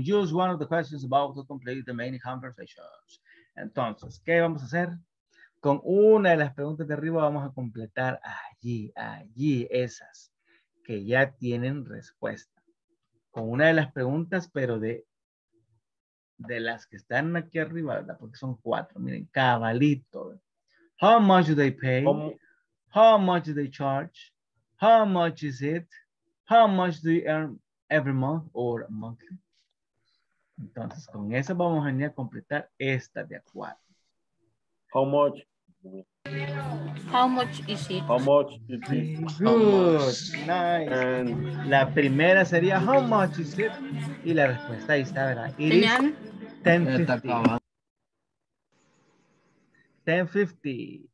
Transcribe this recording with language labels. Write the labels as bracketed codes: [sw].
[en] Use one of the questions about to complete the main conversations. [es] Entonces, ¿qué vamos a hacer? Con una de las preguntas de arriba vamos a completar allí, esas que ya tienen respuesta. Con una de las preguntas, pero de las que están aquí arriba, ¿verdad? Porque son cuatro, miren, cabalito. [en] How much do they pay? How much do they charge? How much is it? How much do you earn every month or monthly? [es] Entonces, con eso vamos a ir a completar esta de a cuatro. [en] How much is it? Good, nice. And [es] la primera sería [en] how much is it? [es] Y la respuesta ahí está, ¿verdad? [en] It is 10.50.